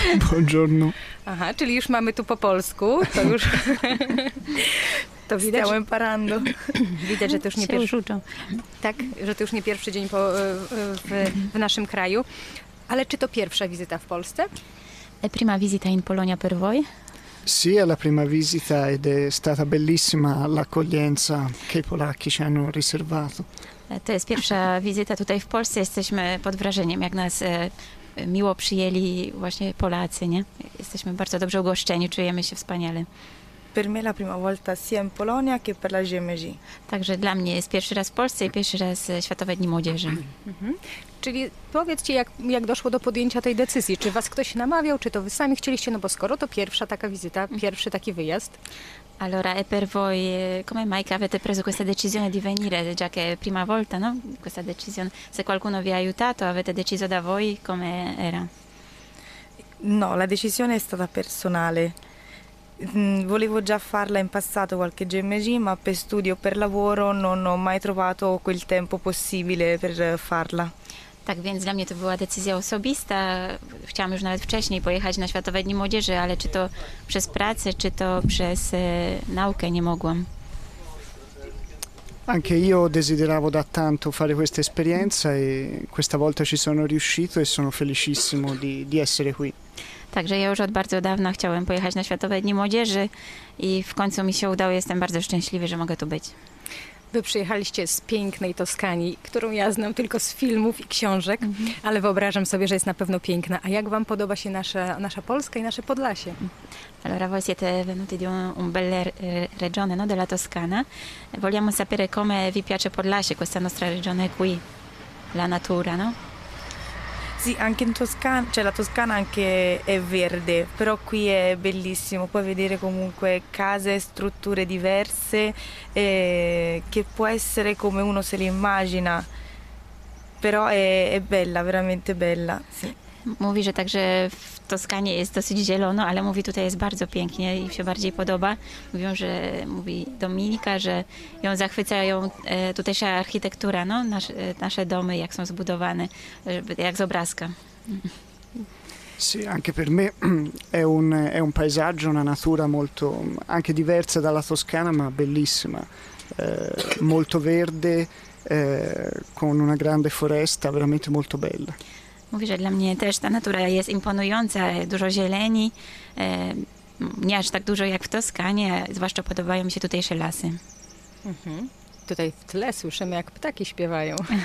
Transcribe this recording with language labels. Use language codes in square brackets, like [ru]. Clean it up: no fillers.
[it] Buongiorno. [pl] Aha, czyli już mamy tu po polsku. To już... to widać, stałem parando. Widać, że to już nie pierwszy... Tak, że to już nie pierwszy dzień w naszym kraju. Ale czy to pierwsza wizyta w Polsce? [it] La prima visita in Polonia per voi? Sì, è la prima visita ed è stata bellissima l'accoglienza che i polacchi ci hanno riservato. [pl] To jest pierwsza wizyta tutaj w Polsce. Jesteśmy pod wrażeniem, jak nas... miło przyjęli właśnie Polacy, nie? Jesteśmy bardzo dobrze ugoszczeni, czujemy się wspaniale. [it] Per me la prima volta sia in Polonia che per la GMG. [pl] Także dla mnie jest pierwszy raz w Polsce i pierwszy raz Światowe Dni Młodzieży. Mhm. Czyli powiedzcie, jak doszło do podjęcia tej decyzji? Czy was ktoś namawiał, czy to wy sami chcieliście? No bo skoro to pierwsza taka wizyta, pierwszy taki wyjazd. [it] Allora, e per voi, come mai avete preso questa decisione di venire, già che è la prima volta, no? Questa decisione, se qualcuno vi ha aiutato, avete deciso da voi, come era? No, la decisione è stata personale. Volevo già farla in passato qualche GMG, ma per studio, per lavoro, non ho mai trovato quel tempo possibile per farla. [pl] Tak więc dla mnie to była decyzja osobista. Chciałam już nawet wcześniej pojechać na Światowe Dni Młodzieży, ale czy to przez pracę, czy to przez naukę nie mogłam. [it] Anche io desideravo da tanto fare questa esperienza e questa volta ci sono riuscito e sono felicissimo di essere qui. [pl] Także ja już od bardzo dawna chciałem pojechać na Światowe Dni Młodzieży i w końcu mi się udało. Jestem bardzo szczęśliwy, że mogę tu być. Wy przyjechaliście z pięknej Toskanii, którą ja znam tylko z filmów i książek, ale wyobrażam sobie, że jest na pewno piękna. A jak wam podoba się nasza Polska i nasze Podlasie? [it] Allora, voi siete venuti di un bella regione, no, della Toscana. Vogliamo sapere come vi piace Podlasie, questa nostra regione qui, la natura, no? Sì, anche in Toscana, cioè la Toscana anche è verde, però qui è bellissimo, puoi vedere comunque case, strutture diverse, che può essere come uno se le immagina, però è bella, veramente bella. Sì. [pl] Mówi, że także w Toskanie jest dosyć zielono, ale mówi, tutaj jest bardzo pięknie i się bardziej podoba. Mówią, że mówi Dominika, że ją zachwyca ją tutejsza architektura, no, nasze domy, jak są zbudowane, jak z obrazka. [it] Sì, anche per me è un paesaggio, una natura molto anche diversa dalla Toscana, ma bellissima. Molto verde, con una grande foresta, veramente molto bella. [pl] Mówi, że dla mnie też ta natura jest imponująca, dużo zieleni, nie aż tak dużo jak w Toskanie, zwłaszcza podobają mi się tutejsze lasy. Mm-hmm. Tutaj w tle słyszymy, jak ptaki śpiewają.